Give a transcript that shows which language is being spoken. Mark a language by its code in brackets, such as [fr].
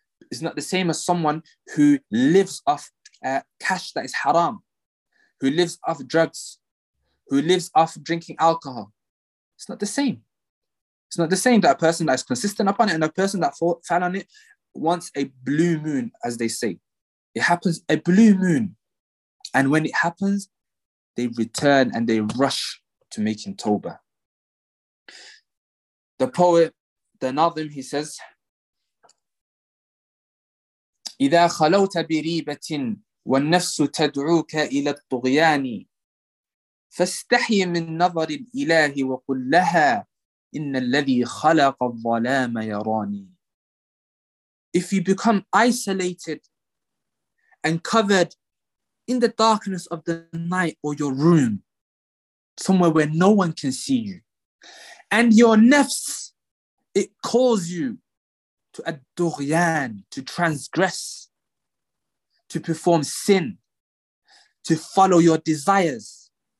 [en] It's not the same as someone who lives off cash that is haram, who lives off drugs, who lives off drinking alcohol. It's not the same. It's not the same that a person that is consistent upon it and a person that fell on it once a blue moon, as they say. It happens a blue moon. And when it happens, they return and they rush to making tawbah. [ar] The poet, the Nadhim, he says, إذا خلوت بريبة والنفس تدعوك إلى الطغيان فاستحي من نظر الإله وقل لها إن الذي خلق الظلام يراني. If you become isolated [en] and covered in the darkness of the night or your room, somewhere where no one can see you. And your nafs, it calls you to ad-dughyan, to transgress, to perform sin, to follow your desires.